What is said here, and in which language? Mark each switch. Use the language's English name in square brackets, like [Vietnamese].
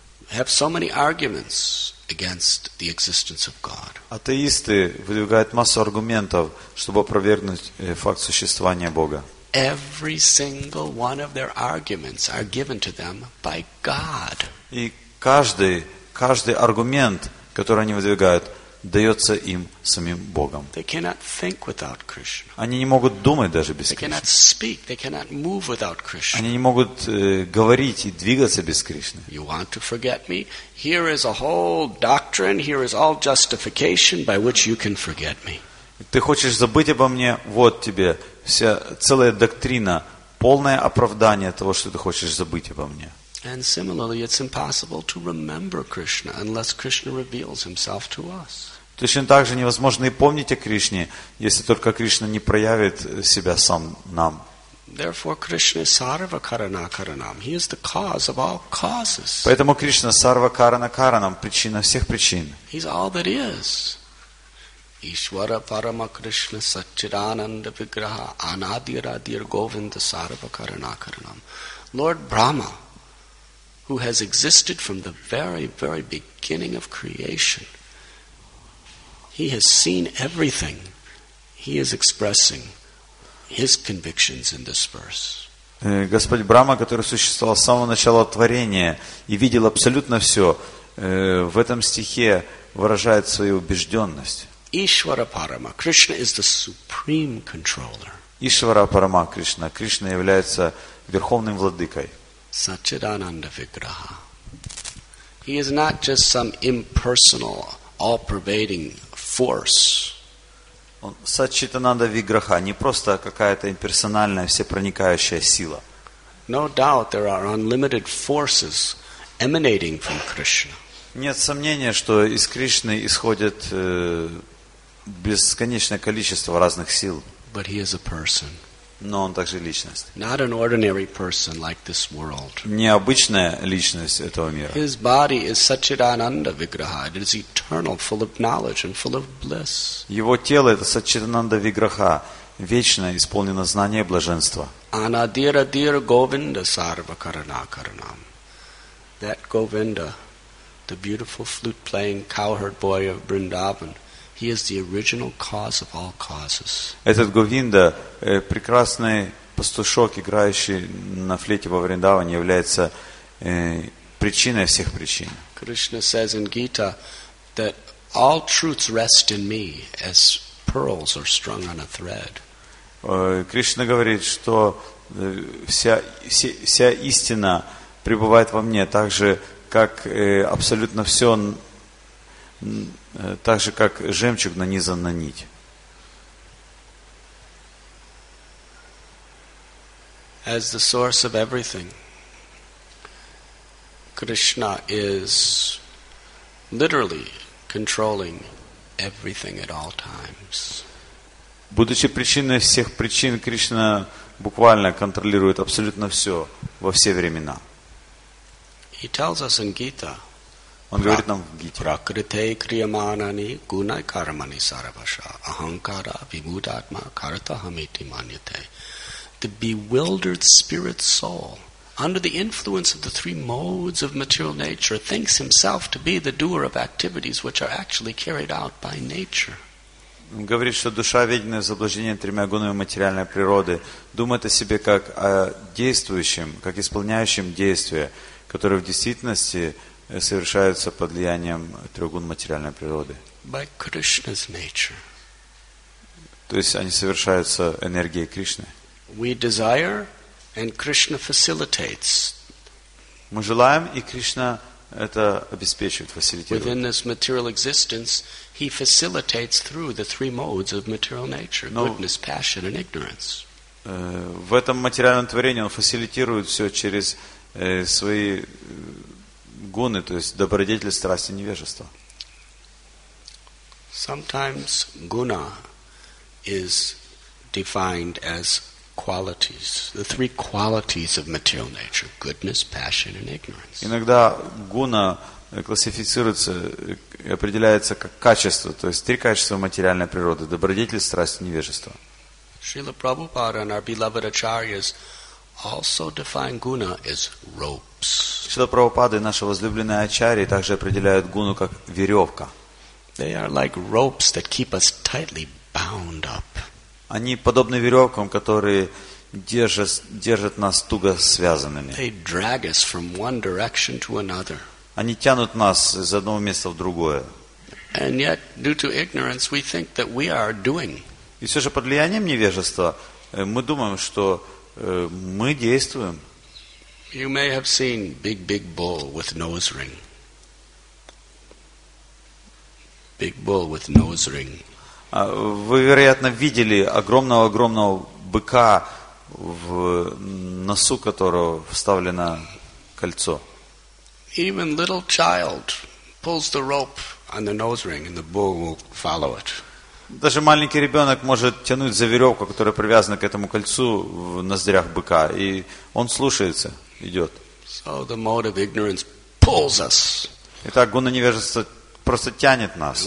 [English] Have so many arguments against the existence of God. [Russian] Атеисты выдвигают массу аргументов, чтобы опровергнуть факт существования Бога. [English] Every single one of their arguments are given to them by God. [Russian] И каждый аргумент, который они выдвигают, дается им самим Богом. [English] They cannot think without Krishna. [Russian] Они не могут думать даже без Кришны. [English] They cannot speak. They cannot move without Krishna. [Russian] Они не могут говорить и двигаться без Кришны. [English] You want to forget me? Here is a whole doctrine. Here is all justification by which you can forget me. [Russian] Ты хочешь забыть обо мне? Вот тебе вся целая доктрина, полное оправдание того, что ты хочешь забыть обо мне. [English] And similarly, it's impossible to remember Krishna unless Krishna reveals himself to us. [Russian] Точно так же невозможно и помнить о Кришне, если только Кришна не проявит себя сам нам. [English] Therefore, Krishna is [Sanskrit] sarva karana karanam. [English] He is the cause of all causes. [Russian] Поэтому Кришна [Sanskrit] сарва карана каранам, [Russian] причина всех причин. [English] He is all that is. [Sanskrit] Ishvara parama Krishna satchidananda vigraha anadiradir govinda sarva karana karanam. [English] Lord Brahma, who has existed from the very, very beginning of creation. He has seen everything. He is expressing his convictions in this verse. [Russian] Господь Брама, который существовал с самого начала творения и видел абсолютно все, в этом стихе выражает свою убежденность. [Sanskrit] Ishvara Parama, [English] Krishna is the supreme controller. [Sanskrit] Ishvara Parama [Russian] Krishna, Кришна является верховным владыкой. [Sanskrit] Satchidananda Vigraha. [English] He is not just some impersonal, all-pervading force. [Sanskrit] Satchidananda Vigraha [Russian] не просто какая-то имперсональная, всепроникающая сила. [English] No doubt there are unlimited forces emanating from Krishna. [Russian] Нет сомнения, что из Кришны исходит бесконечное количество разных сил. [English] But he is a person. [Russian] Но он также личность. [English] Not an ordinary person like this world. [Russian] Необычная личность этого мира. [English] His body is [Sanskrit] Satchidananda Vigraha. [English] It is eternal, full of knowledge and full of bliss. [Russian] Его тело это [Sanskrit] Satchidananda Vigraha, [Russian] вечное, исполнено знания и блаженства. [Sanskrit] Anadiradir Govinda Sarva Karana Karanam. [English] That Govinda, the beautiful flute playing cowherd boy of Vrindavan. He is the original cause of all causes. [Russian] Этот Говинда, прекрасный пастушок, играющий на флейте во Вриндаване, является причиной всех причин. [English] Krishna says in Gita that all truths rest in me as pearls are strung on a thread. [Russian] Кришна говорит, что вся истина пребывает во мне, так же, как абсолютно все, так же, как жемчуг нанизан на нить. [English] As the source of everything, Krishna is literally controlling everything at all times. [Russian] Будучи причиной всех причин, Кришна буквально контролирует абсолютно все во все времена. [English] He tells us in Gita, [Russian] Он говорит нам в Гите. [Sanskrit] Пракрите криаманани гунай кармани сарабаша аханкара вибудатма карта хамити маньяте. [English] The bewildered spirit soul, under the influence of the three modes of material nature, thinks himself to be the doer of activities which are actually carried out by nature. [Russian] Он говорит, что душа, введенная в заблуждение тремя гунами материальной природы, думает о себе как о действующем, как исполняющем действия, которые в действительности совершаются под влиянием трех гун материальной природы. [English] By Krishna's nature. [Russian] То есть они совершаются энергией Кришны. [English] We desire, and Krishna facilitates. [Russian] Мы желаем, и Кришна это обеспечивает, фасилитирует. [English] Within this material existence, He facilitates through the three modes of material nature: goodness, passion, and ignorance. [Russian] В этом материальном творении он фасилитирует все через свои гуны, то есть добродетель, страсть и невежество. [English] Sometimes guna is defined as qualities, the three qualities of material nature: goodness, passion, and ignorance. [Russian] Иногда гуна классифицируется и определяется как качество, то есть три качества материальной природы: добродетель, страсть и невежество. [English] Srila Prabhupada and our beloved acharyas also define guna as ropes. [Russian] Srila Prabhupada и наши возлюбленные ачарьи также определяют гуну как веревка. [English] They are like ropes that keep us tightly bound up. [Russian] Они подобны веревкам, которые держат нас туго связанными. [English] They drag us from one direction to another. [Russian] Они тянут нас из одного места в другое. [English] And yet, due to ignorance, we think that we are doing. [Russian] И все же под влиянием невежества мы думаем, что мы действуем. [English] You may have seen big, big bull with nose ring. Big bull with nose ring. [Russian] Вы, вероятно, видели огромного-огромного быка, в носу которого вставлено кольцо. [English] Even little child pulls the rope on the nose ring, and the bull will follow it. [Russian] Даже маленький ребенок может тянуть за веревку, которая привязана к этому кольцу в ноздрях быка, и он слушается, идет. [English] So the mode of ignorance pulls us. [Russian] Итак, гуна невежества просто тянет нас.